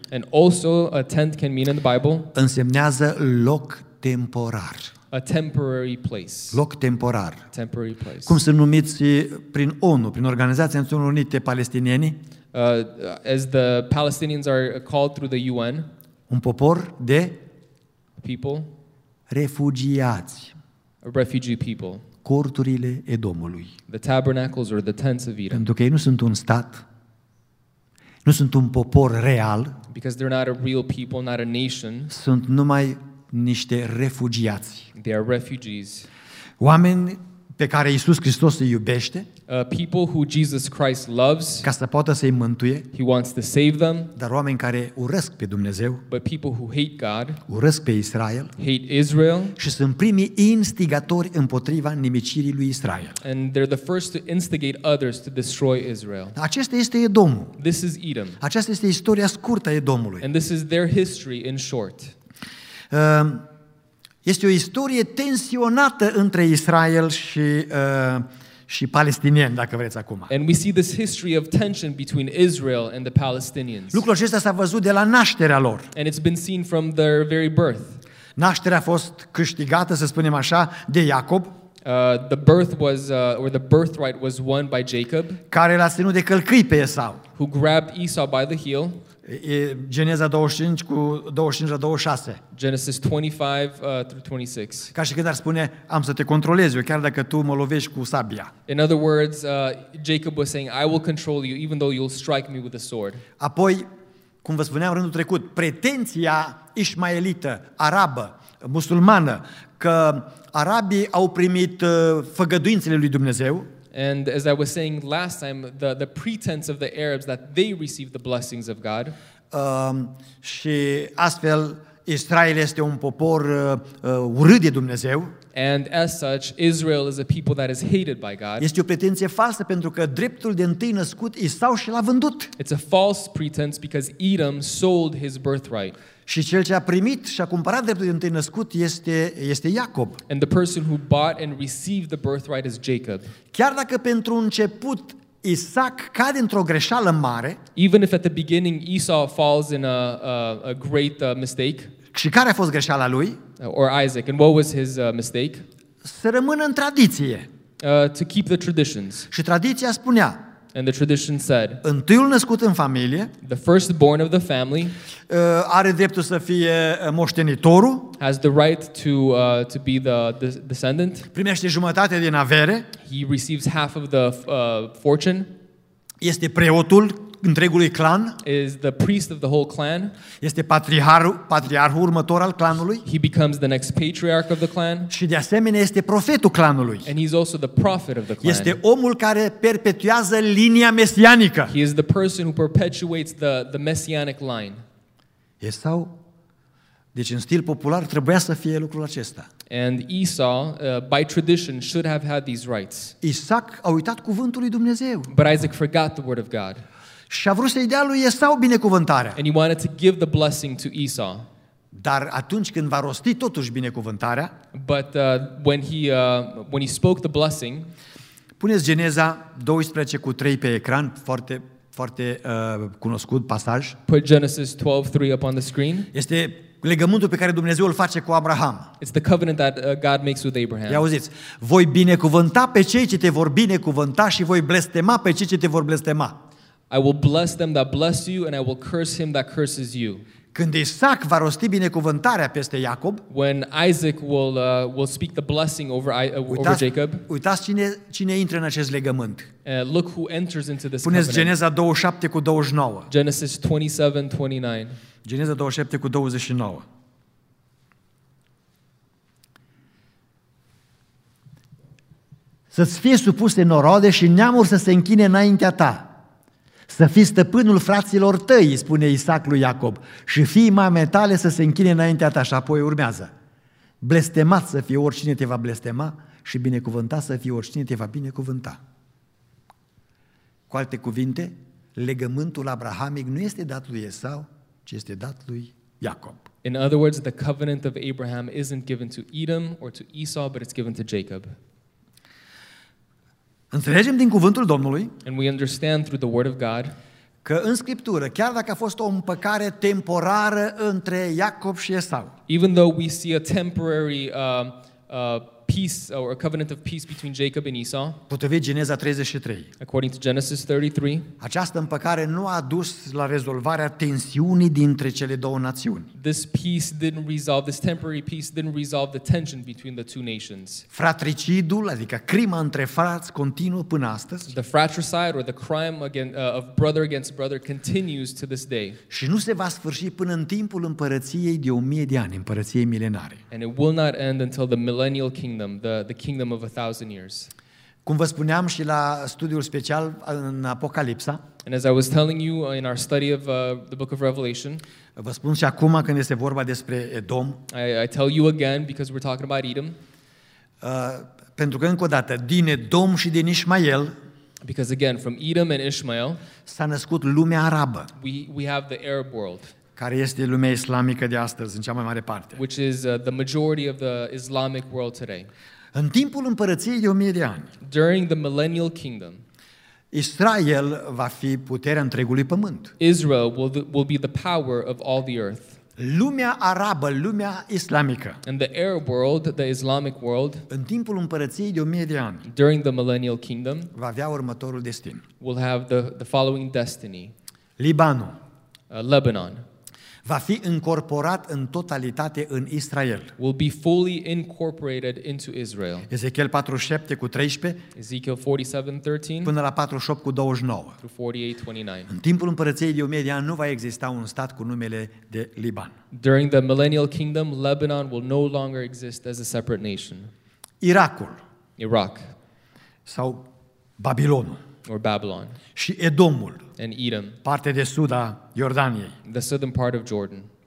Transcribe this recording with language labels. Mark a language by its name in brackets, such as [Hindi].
[English] And also a tent can mean in the Bible. [Romanian] Însemnează loc temporar. [English] A temporary place. [Romanian] Loc temporar. [English] Temporary place. [Romanian] Cum sunt numiți prin ONU, prin Organizația Națiunilor Unite Palestinieni? [English] As the Palestinians are called through the UN. [Romanian] Un popor de [English] people, [Romanian] refugiați, [English] refugee people, [Romanian] corturile Edomului, [English] the tabernacles or the tents of Edom. [Romanian] Pentru că ei nu sunt un stat, nu sunt un popor real, [English] because they're not a real people, not a nation, [Romanian] sunt numai niște refugiați. [English] They are refugees. [Romanian] Oameni pe care Iisus Hristos îi iubește, [English] people who Jesus Christ loves, [Romanian] ca să poată să-i mântuie, [English] he wants to save them, [Romanian] dar oameni care urăsc pe Dumnezeu, [English] but people who hate God, [Romanian] urăsc pe Israel, [English] hate Israel, [Romanian] și sunt primii instigatori împotriva nimicirii lui Israel. [English] And they're the first to instigate others to destroy Israel. [Romanian] Acesta este Edomul. [English] This is Edom. [Romanian] Aceasta este istoria scurtă a Edomului. [English] And this is their history in short. [Romanian] Este o istorie tensionată între Israel și și palestinieni, dacă vreți acum. [English] And we see this history of tension between Israel and the Palestinians. [Romanian] Lucrul acesta s-a văzut de la nașterea lor. [English] And it's been seen from their very birth. [Romanian] Nașterea a fost câștigată, să spunem așa, de Iacob. [English] The birth was or the birthright was won by Jacob. [Romanian] Care l-a ținut de călcâi pe Esau. [English] Who grabbed Esau by the heel. [Romanian] Geneza 25:25-26. [English] Genesis 25-26. [Romanian] Ca și când ar spune, am să te controlez eu, chiar dacă tu mă lovești cu sabia. [English] In other words, Jacob was saying, I will control you even though you'll strike me with a sword. [Romanian] Apoi, cum vă spuneam rândul trecut, pretenția ismaelită, arabă, musulmană, că arabii au primit făgăduințele lui Dumnezeu. [English] And as I was saying last time, the pretense of the Arabs that they received the blessings of God. [Romanian] Și astfel Israel este un popor urât de Dumnezeu. [English] And as such, Israel is a people that is hated by God. [Romanian] Este o pretenție falsă pentru că dreptul de întâi născut Esau și l-a vândut. [English] It's a false pretense because Edom sold his birthright. [Romanian] Și cel ce a primit și a cumpărat dreptul de întâi născut este Iacob. [English] And the person who bought and received the birthright is Jacob. [Romanian] Chiar dacă pentru început Isaac cade într-o greșeală mare. [English] Even if at the beginning Esau falls in a great mistake. [Romanian] Și care a fost greșeala lui? [English] Or Isaac, and what was his mistake? [Romanian] Să rămână în tradiție. [English] To keep the traditions. [Romanian] Și tradiția spunea. [English] And the tradition said. [Romanian] Întâiul născut în familie. [English] The firstborn of the family. [Romanian] Are dreptul să fie moștenitorul. [English] Has the right to be the descendant. [Romanian] Primește jumătate din avere. [English] He receives half of the fortune. [Romanian] Este preotul întregului clan. [English] Is the priest of the whole clan. [Romanian] Este patriarhul următor al clanului. [English] He becomes the next patriarch of the clan. [Romanian] Și de asemenea este profetul clanului. [English] And he's also the prophet of the clan. [Romanian] Este omul care perpetuează linia mesianică. [English] He is the person who perpetuates the messianic line. [Romanian] Esau, deci în stil popular trebuia să fie lucrul acesta. [English] And Esau, by tradition, should have had these rights. [Romanian] Isaac a uitat cuvântul lui Dumnezeu. [English] But Isaac forgot the word of God. [Romanian] Și a vrut să-i dea lui Esau binecuvântarea. [English] And he wanted to give the blessing to Esau. [Romanian] Dar atunci când va rosti totuși binecuvântarea, [English] but when he spoke the blessing, [Romanian] puneți Geneza 12 cu 3 pe ecran, foarte foarte cunoscut pasaj. [English] Put Genesis 12:3 up on the screen. [Romanian] Este legământul pe care Dumnezeu îl face cu Abraham. [English] It's the covenant that God makes with Abraham. [Romanian] Ia auziți, voi binecuvânta pe cei ce te vor binecuvânta și voi blestema pe cei ce te vor blestema. [English] I will bless them that bless you and I will curse him that curses you. [Romanian] Când Isaac va rosti binecuvântarea peste Iacob, [English] when Isaac will speak the blessing over Jacob. [Romanian] Uitați cine intră în acest legământ. [English] Look who enters into this [Romanian] Puneți Geneza 27 cu 29. [English] Genesis 27:29. [Romanian] Geneza 27 cu 29. Să-ți fie supuse norode și neamuri să se închine înaintea ta. Să fii stăpânul fraților tăi, spune Isaac lui Iacob, și fii mamei tale să se închine înaintea ta, și apoi urmează. Blestemat să fie oricine te va blestema și binecuvântat să fie oricine te va binecuvânta. Cu alte cuvinte, legământul abrahamic nu este dat lui Esau, ci este dat lui Iacob. [English] In other words, the covenant of Abraham isn't given to Edom or to Esau, but it's given to Jacob. [Romanian] Înțelegem din cuvântul Domnului. [English] And we understand through the word of God. [Romanian] Că în Scriptură, chiar dacă a fost o împăcare temporară între Iacob și Esau. [English] Even though we see a temporary peace or a covenant of peace between Jacob and Esau. [Romanian] Potrivit Geneza 33. [English] According to Genesis 33. [Romanian] Această împăcare nu a dus la rezolvarea tensiunii dintre cele două națiuni. [English] This temporary peace didn't resolve the tension between the two nations. [Romanian] Fratricidul, adică crima între frați, continuă până astăzi. [English] The fratricide or the crime of brother against brother continues to this day. [Romanian] Și nu se va sfârși până în timpul împărăției de 1000 de ani, împărăției milenare. [English] And it will not end until the millennial kingdom, the kingdom of 1,000 years. [Romanian] Cum vă spuneam și la studiul special în Apocalipsa. [English] And as I was telling you in our study of the book of Revelation. [Romanian] Vă spun și acum când este vorba despre Edom. [English] I tell you again because we're talking about Edom. [Romanian] Pentru că încă o dată din Edom și din Ishmael. [English] Because again from Edom and Ishmael. [Romanian] S-a născut lumea arabă. [English] We have the Arab world. [Romanian] Care este lumea islamică de astăzi, în cea mai mare parte. [English] Which is the majority of the Islamic world today. [Romanian] În timpul împărăției de 1000 de ani. [English] During the millennial kingdom. [Romanian] Israel va fi puterea întregului pământ. [English] Israel will be the power of all the earth. [Romanian] Lumea arabă, lumea islamică. [English] And the Arab world, the Islamic world. [Romanian] În timpul împărăției de 1000 de ani. [English] During the millennial kingdom. [Romanian] Va avea următorul destin. [English] Will have the following destiny. [Romanian] Libanul. [English] Lebanon. [Romanian] Va fi incorporat în totalitate în Israel. [English] Will be fully incorporated into Israel. [Romanian] Ezechiel 47 cu 13. [English] Ezekiel 47:13. [Romanian] Până la 48 cu 29. [English] Through 48:29. [Romanian] În timpul împărăției de 1000 de ani nu va exista un stat cu numele de Liban. [English] During the millennial kingdom, Lebanon will no longer exist as a separate nation. [Romanian] Iracul. [English] Iraq. [Romanian] Sau Babilonul. [English] Or Babylon. [Romanian] Și Edomul. [English] And Edom. [Romanian] Parte de sud a Iordaniei. [English] The southern part of Jordan.